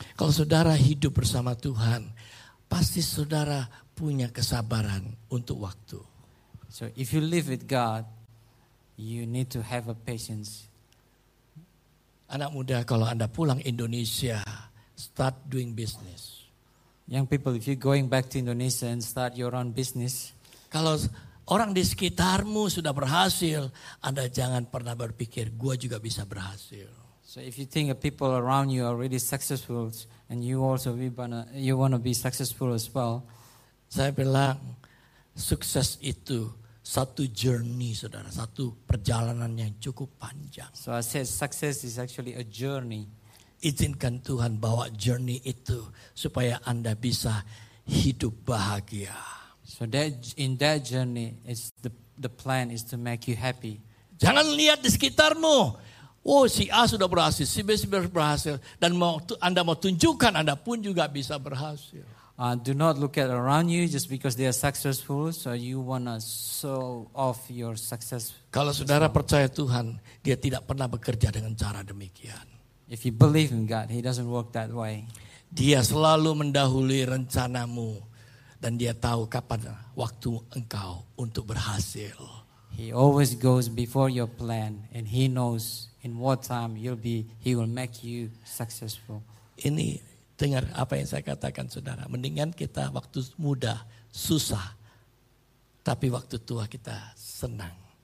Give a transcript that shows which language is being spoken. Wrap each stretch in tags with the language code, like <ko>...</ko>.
<id>Kalau saudara hidup bersama Tuhan, pasti saudara punya kesabaran untuk waktu.</id> <en>So if you live with God, you need to have a patience.</en> <id>Anak muda, kalau Anda pulang Indonesia,</id> <en>start doing business. Young people, if you're going back to Indonesia and start your own business.</en> <id>Kalau orang di sekitarmu sudah berhasil, Anda jangan pernah berpikir, gua juga bisa berhasil.</id> <en>So if you think the people around you are really successful and you want to be successful as well.</en> <id>Saya bilang, sukses itu satu journey, saudara. Satu perjalanan yang cukup panjang.</id> <en>So I said success is actually a journey.</en> <id>Izinkan Tuhan bawa journey itu supaya Anda bisa hidup bahagia.</id> <en>So that in that journey, it's the plan is to make you happy.</en> <id>Jangan lihat di sekitarmu. Oh, si A sudah berhasil, si B sudah berhasil. Dan Anda mau tunjukkan Anda pun juga bisa berhasil.</id> <en>Do not look at around you just because they are successful, so you wanna show off your success.</en> <id>Kalau saudara percaya Tuhan, Dia tidak pernah bekerja dengan cara demikian.</id> <en>If you believe in God, He doesn't work that way.</en> <id>Dia selalu mendahului rencanamu dan Dia tahu kapan waktu engkau untuk berhasil.</id> <en>He always goes before your plan, and he knows in what time you'll be. He will make you successful.</en> <id>Ini dengar apa yang saya katakan, saudara. Mendingan kita waktu muda susah, tapi waktu tua kita senang.</id>